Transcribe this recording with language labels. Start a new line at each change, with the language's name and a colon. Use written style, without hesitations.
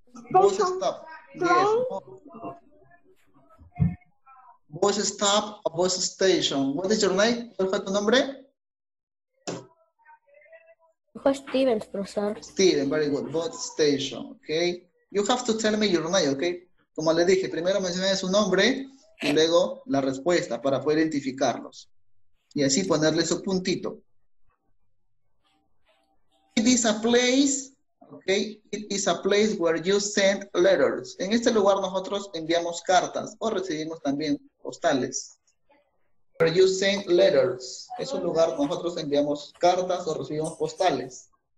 English: Bus stop. Yes. Bus stop, a bus station. What is your name?
Spanish: ¿Cuál fue tu nombre?
English: Steven, profesor. Steven, very good. Bus station, okay. You have to tell me your name, okay?
Spanish: Como le dije, primero mencioné su nombre y luego la respuesta para poder identificarlos. Y así ponerle su puntito.
English: It is a place, okay? It is a place where you send letters.
Spanish: En este lugar nosotros enviamos cartas o recibimos también postales.
English: Where you send letters.
Spanish: Es un lugar donde nosotros enviamos cartas o recibimos postales.